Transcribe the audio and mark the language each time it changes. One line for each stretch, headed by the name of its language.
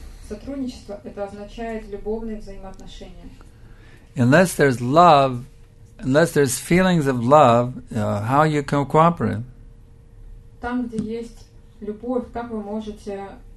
Russian: Сотрудничество это означает любовные взаимоотношения.
English: Unless there's love, unless there's feelings of love, how you can cooperate?
Russian: Там, где есть любовь, как вы можете